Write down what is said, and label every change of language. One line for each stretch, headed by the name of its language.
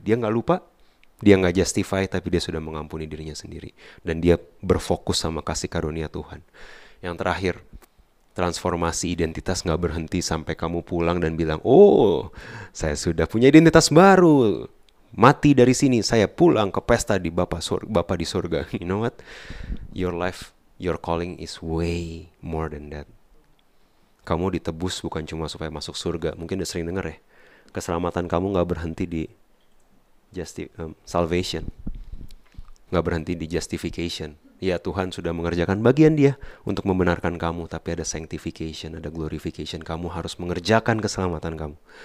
Indonesian: Dia gak lupa, dia gak justify, tapi dia sudah mengampuni dirinya sendiri. Dan dia berfokus sama kasih karunia Tuhan. Yang terakhir, transformasi identitas gak berhenti sampai kamu pulang dan bilang, oh, saya sudah punya identitas baru. Mati dari sini, saya pulang ke pesta di Bapa di surga.
English: You know what? Your life, your calling is way more than that.
Indonesian: Kamu ditebus bukan cuma supaya masuk surga. Mungkin udah sering denger ya. Keselamatan kamu gak berhenti di salvation. Gak berhenti di justification. Ya Tuhan sudah mengerjakan bagian dia untuk membenarkan kamu. Tapi ada sanctification, ada glorification. Kamu harus mengerjakan keselamatan kamu.